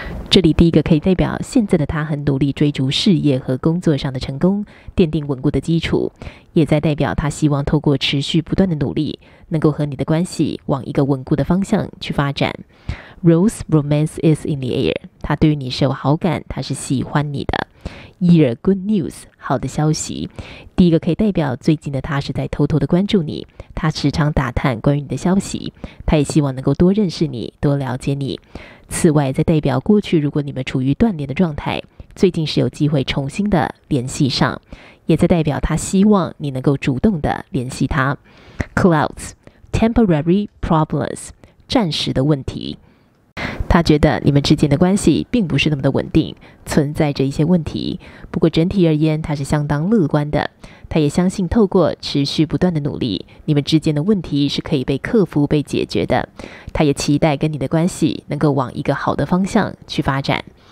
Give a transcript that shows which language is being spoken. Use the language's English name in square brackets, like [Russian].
[Chinese] 这里第一个可以代表现在的他很努力追逐事业和工作上的成功，奠定稳固的基础，也在代表他希望透过持续不断的努力，能够和你的关系往一个稳固的方向去发展。 [English] Rose romance is in the air, [Chinese] 他对于你是有好感，他是喜欢你的。 [English] Year good news， [Chinese] 好的消息。第一个可以代表最近的他是在偷偷的关注你，他时常打探关于你的消息，他也希望能够多认识你，多了解你。此外，在代表过去如果你们处于断联的状态，最近是有机会重新的联系上，也在代表他希望你能够主动的联系他。 [English] Clouds， temporary problems， [Chinese] 暂时的问题。他觉得你们之间的关系并不是那么的稳定，存在着一些问题，不过整体而言他是相当乐观的，他也相信透过持续不断的努力，你们之间的问题是可以被克服被解决的，他也期待跟你的关系能够往一个好的方向去发展。